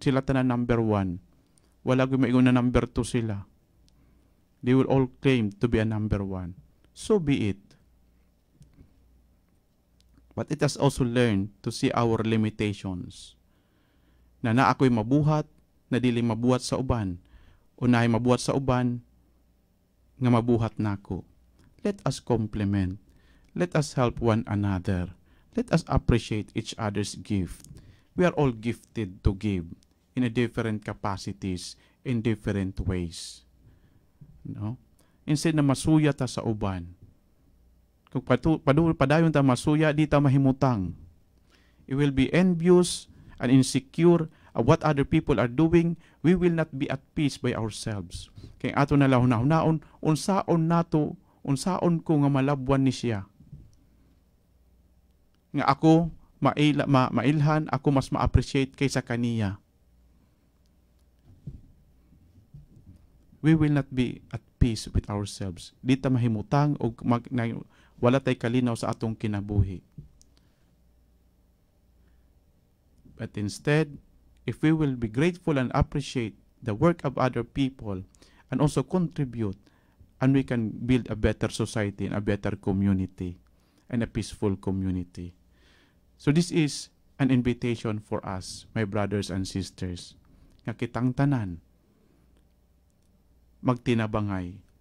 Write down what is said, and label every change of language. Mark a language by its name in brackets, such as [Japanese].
[Cebuano] Sila tanan number one. Wala gumigong na number two sila. [English] They will all claim to be a number one. So be it. But it has also learned to see our limitations. [Cebuano] Na naako'y mabuhat, na dili mabuhat sa uban. Unay mabuhat sa uban, nga mabuhat nako. [English] Let us compliment. Let us help one another. Let us appreciate each other's gift. We are all gifted to give in a different capacities, in different ways. No? [Cebuano] Instead na masuya ta sa uban. Kung padayon ta masuya, di ta mahimutang. [English] It will be envious and insecure of what other people are doing. We will not be at peace by ourselves. [Cebuano] Kaya ato na lang naon, unsaon nato, unsaon ko nga malabwan ni siya. Nga ako, mailhan, ako mas ma-appreciate kaysa kaniya. [English] We will not be at peace with ourselves. [Cebuano] Di ta mahimutang o wala tay kalinaw sa atong kinabuhi. [English] But instead, if we will be grateful and appreciate the work of other people and also contribute, and we can build a better society and a better community and a peaceful community. So this is an invitation for us, my brothers and sisters, [Cebuano] nga kitang tanan, magtinabangay.